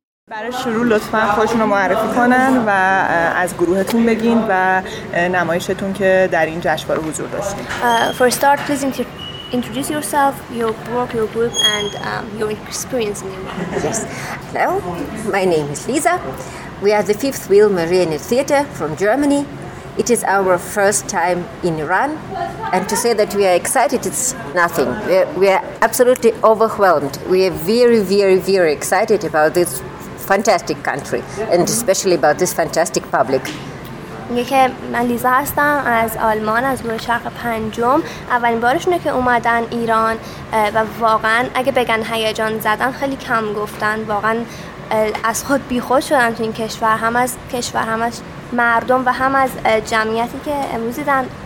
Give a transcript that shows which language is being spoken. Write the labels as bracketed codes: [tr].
[fa] برای شروع لطفا خودشون رو معرفی کنن و از گروهتون بگین و نمایشتون که در این جشنواره حضور داشتین. [en] For start please introduce yourself, your work, your group, and your experience in the world. Yes. Hello, my name is Lisa. We are the Fifth Wheel Marine Theatre from Germany. It is our first time in Iran, and to say that we are excited, it's nothing. We are absolutely overwhelmed. We are very, very, very excited about this fantastic country, and especially about this fantastic public. [fa] میگه که من لیزا هستم از آلمان، از گروه چرخ پنجم. اولین بارشونه که اومدن ایران و واقعا اگه بگن هیجان زدن خیلی کم گفتن، واقعا از خود بیخود شدن تو این کشور، هم از کشور، هم از مردم و هم از جمعیتی که امروز دیدن.